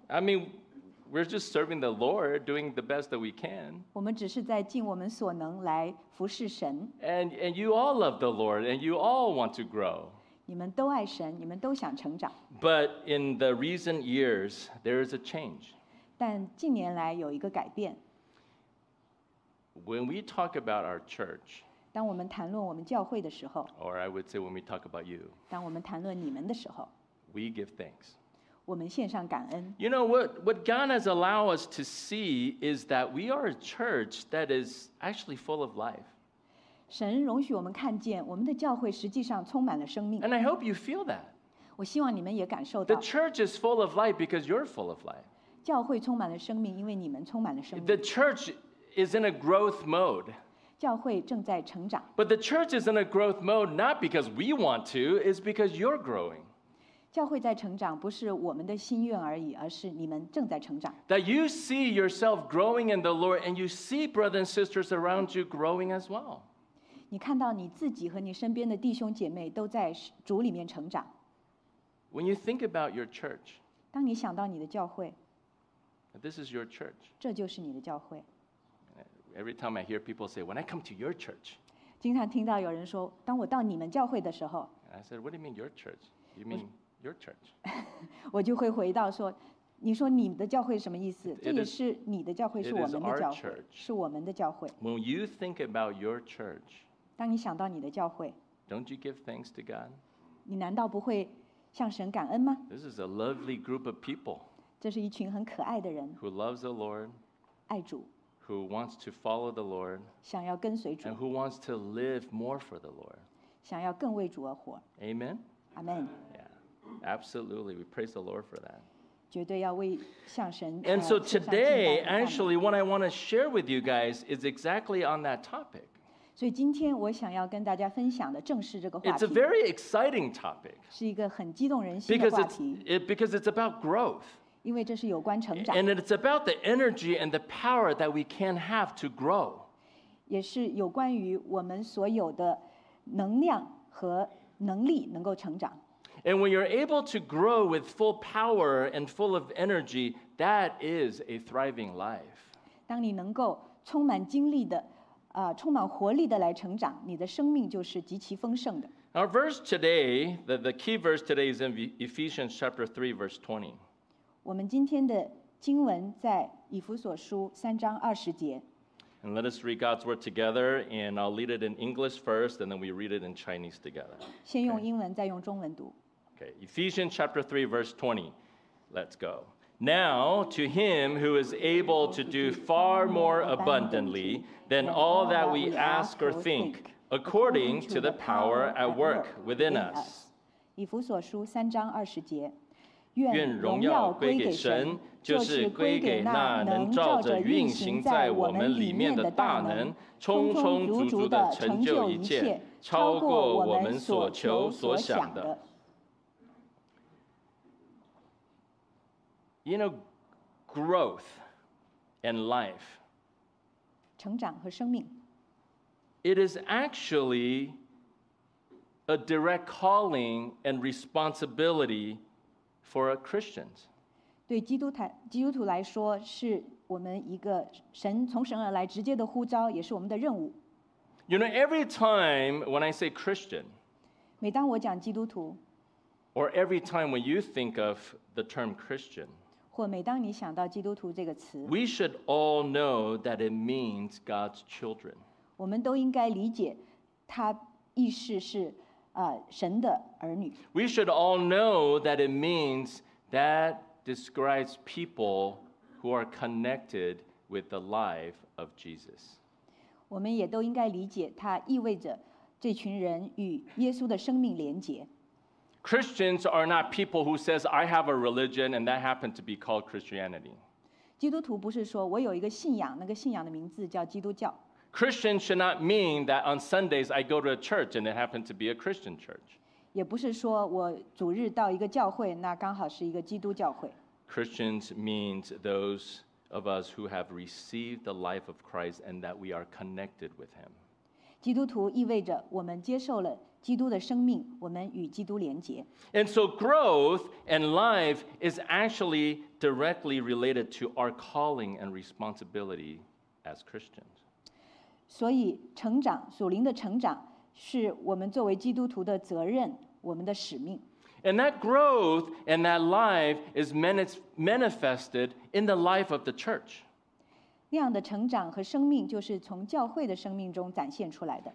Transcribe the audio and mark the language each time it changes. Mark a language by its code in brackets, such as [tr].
[en] I mean, we're just serving the Lord, doing the best that we can. [zh] 我们只是在尽我们所能来服侍神。 [en] And you all love the Lord, and you all want to grow. [zh] 你们都爱神，你们都想成长。 [en] But in the recent years, there is a change. [zh] 但近年来有一个改变。 [en] When we talk about our church, [zh] 当我们谈论我们教会的时候 [en] or I would say when we talk about you, [zh] 当我们谈论你们的时候 [en] we give thanks. [zh] 我们献上感恩。 [en] You know, what God has allowed us to see is that we are a church that is actually full of life. [zh] 神容许我们看见我们的教会实际上充满了生命。 [en] And I hope you feel that. [zh] 我希望你们也感受到。 [en] The church is full of life because you're full of life. [zh] 教会充满了生命，因为你们充满了生命。 [en] The church is in a growth mode. [zh] 教会正在成长。 [en] But the church is in a growth mode not because we want to, it's because you're growing. [zh] 教会在成长不是我们的心愿而已，而是你们正在成长。 [en] That you see yourself growing in the Lord and you see brothers and sisters around you growing as well. [zh] 你看到你自己和你身边的弟兄姐妹都在主里面成长。 [en] When you think about your church, [zh] 当你想到你的教会 [en] This is your church. [zh] 这就是你的教会。 [en] Every time I hear people say, "When I come to your church," [zh] 经常听到有人说，当我到你们教会的时候 [en] ，I said, "What do you mean your church? You mean your church?" [zh] 我就会回到说，你说你的教会什么意思？这也是你的教会，是我们的教会，是我们的教会。 [en] When you think about your church, [zh] 当你想到你的教会 [en] ，Don't you give thanks to God? [zh] 你难道不会向神感恩吗 [en] ？This is a lovely group of people. [zh] 这是一群很可爱的人 [en] who loves the Lord, [zh] 爱主 [en] who wants to follow the Lord, [zh] 想要跟随主 [en] and who wants to live more for the Lord, [zh] 想要更为主而活 [en] Amen? Amen. Yeah, absolutely. We praise the Lord for that. [zh] 绝对要为向神。 [en] And so today, actually, what I want to share with you guys is exactly on that topic. [zh] 所以今天我想要跟大家分享的正是这个话题。 [en] It's a very exciting topic. [zh] 是一个很激动人心的话题。 [en] Because it's about growth. [zh] 因为这是有关成长。 [en] And it's about the energy and the power that we can have to grow. [zh] 也是有关于我们所有的能量和能力能够成长。 [en] And when you're able to grow with full power and full of energy, that is a thriving life. [zh] 当你能够充满精力的、充满活力的来成长，你的生命就是极其丰盛的。 [en] Our verse today, the key verse today is in Ephesians chapter 3, verse 20. [zh] 我们今天的经文在以弗所书三章二十节。 [en] And let us read God's word together, and I'll read it in English first, and then we read it in Chinese together. [zh] 先用英文，再用中文读。 [en] Okay, Ephesians chapter 3, verse 20. Let's go. Now, to him who is able to do far more abundantly than all that we ask or think, according to the power at work within us. [zh] 以弗所书三章二十节。愿荣耀归给神，就是归给那能照着运行在我们里面的大能，充充足足的成就一切，超过我们所求所想的。 [en] You know, growth and life. [zh] 成长和生命。 [en] It is actually a direct calling and responsibility. For a Christian, [zh] 对基督徒来说，是我们一个神从神而来直接的呼召，也是我们的任务。 [en] You know, every time when I say Christian, [zh] 每当我讲基督徒 [en] ，or every time when you think of the term Christian, [zh] 或每当你想到基督徒这个词 [en] ，we should all know that it means God's children. [zh] 我们都应该理解，它意思是。神的儿女。 [en] We should all know that it means that describes people who are connected with the life of Jesus. [zh] 我们也都应该理解，它意味着这群人与耶稣的生命连结。 [en] Christians are not people who says I have a religion and that happened to be called Christianity. [zh] 基督徒不是说我有一个信仰，那个信仰的名字叫基督教。 [en] Christian should not mean that on Sundays I go to a church and it happened to be a Christian church. [zh] 也不是说我主日到一个教会，那刚好是一个基督教会。 [en] Christians means those of us who have received the life of Christ and that we are connected with Him. [zh] 基督徒意味着我们接受了基督的生命，我们与基督连结。 [en] And so growth and life is actually directly related to our calling and responsibility as Christians. [zh] 所以成长，属灵的成长，是我们作为基督徒的责任，我们的使命。 [en] And that growth and that life is manifested in the life of the church. [zh] 那样的成长和生命就是从教会的生命中展现出来的。